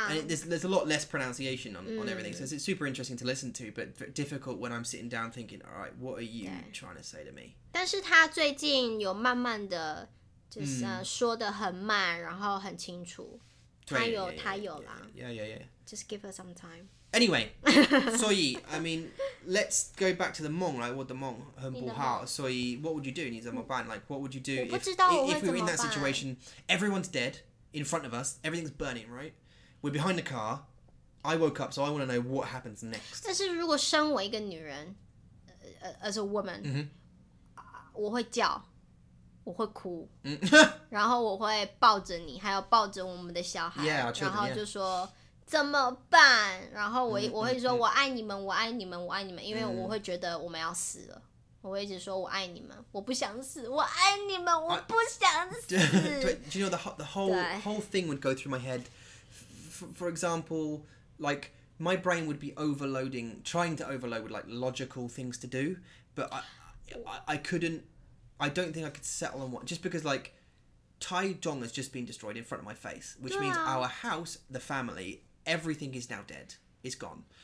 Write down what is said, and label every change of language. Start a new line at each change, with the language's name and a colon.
English: And there's a lot less pronunciation on everything, so it's super interesting to listen to, but difficult when I'm sitting down thinking, all right, what are you trying to say to me?
Chinese: 但是他最近有慢慢的。就是说的很慢，然后很清楚。他有啦。
English: Yeah. Just give her some time. Anyway, 所以 I mean, let's go back to the 梦 right? What the 梦很不好。所以 what would you do?
Chinese: 你怎么办
English: Like, what would you do?
Chinese: 我不知道我会怎么办。
English: If we were in that situation, everyone's dead in front of us. Everything's burning, right? We're behind the car. I woke up, so I want to know what happens next.
Chinese: 但是如果身为一个女人 ，
English: as a woman，
Chinese: 我会叫。我会哭，然后我会抱着你，还有抱着我们的小孩，
English: yeah, children,
Chinese: 然后就说、怎么办？然后我会说我爱你们，我爱你们，我爱你们，因为我会觉得我们要死了，我会一直说我爱你们，我不想死，我爱你们，我不想死。
English: Do you know the whole thing would go through my head? For example, like my brain would be overloading, trying to overload with like logical things to do, but I couldn't. I don't think I could settle on one. Just because, like, Taichung has just been destroyed in front of my face, which means our house, the family, everything is now dead. It's gone.